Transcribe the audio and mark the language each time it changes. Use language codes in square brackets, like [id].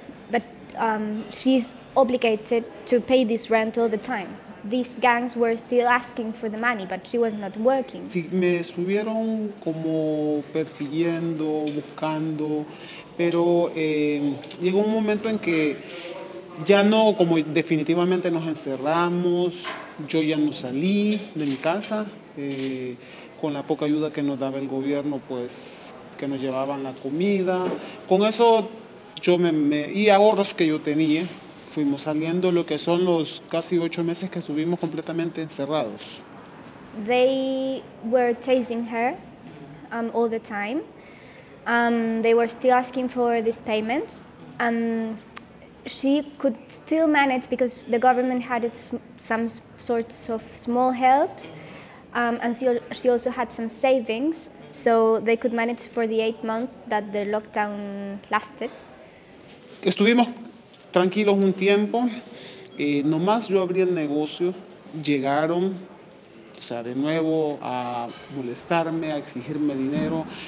[en] But she's obligated to pay this rent all the time. These gangs were still asking for the money, but she was not working. [es] Sí, me estuvieron como persiguiendo, buscando, pero llegó un momento en que ya no, como definitivamente nos encerramos, yo ya no salí de mi casa, con la poca ayuda que nos daba el gobierno, pues, que nos llevaban la comida. Con eso, yo y ahorros que yo tenía, fuimos saliendo lo que son los casi 8 meses que estuvimos completamente encerrados. [en] They were chasing her all the time. They were still asking for these payments. And she could still manage because the government had some sorts of small helps. And she also had some savings. So they could manage for the 8 months that the lockdown lasted. [es] Estuvimos tranquilos un tiempo, nomás yo abrí el negocio, llegaron, o sea, de nuevo a molestarme, a exigirme dinero.